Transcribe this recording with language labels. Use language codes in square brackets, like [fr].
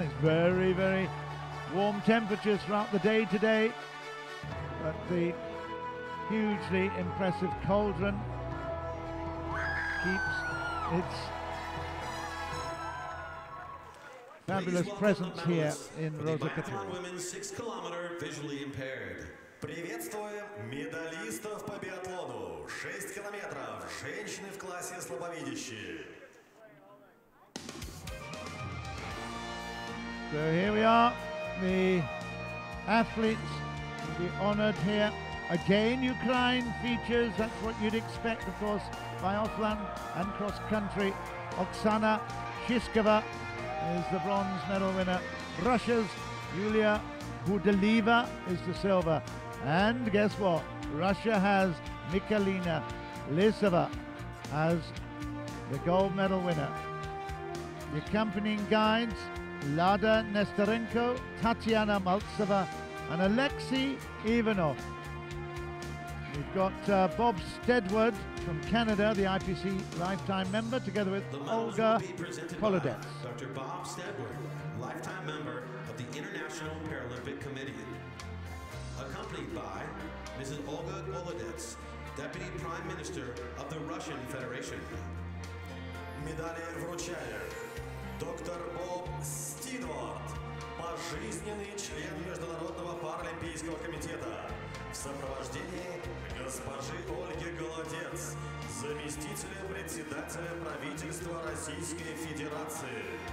[en] It's very, very warm temperatures throughout the day today. But the hugely impressive cauldron keeps its fabulous presence here in Rozakatyn. Women's 6 kilometer visually impaired. [ru] Приветствуем медалистов по биатлону. 6 километров. Женщины в классе слабовидящие. [en] So here we are, the athletes will be honored here. Again, Ukraine features, that's what you'd expect, of course, biathlon and cross-country. Oksana Shyshkova is the bronze medal winner. Russia's Yulia Budalieva is the silver. And guess what? Russia has Mikhalina LYSOVA as the gold medal winner. The accompanying guides, Lada, NESTERENKO, Tatiana, MALTSEVA, and Alexey IVANOV. We've got Bob Stedward from Canada, the IPC lifetime member, together with Olga Polodets. Dr. Bob Stedward, lifetime member of the International Paralympic Committee. Accompanied by Mrs. Olga Polodets, Deputy Prime Minister of the Russian Federation. [ru] Medali vruchaya. Доктор Боб Стидвард, пожизненный член Международного паралимпийского комитета, в сопровождении госпожи Ольги Голодец, заместителя председателя правительства Российской Федерации.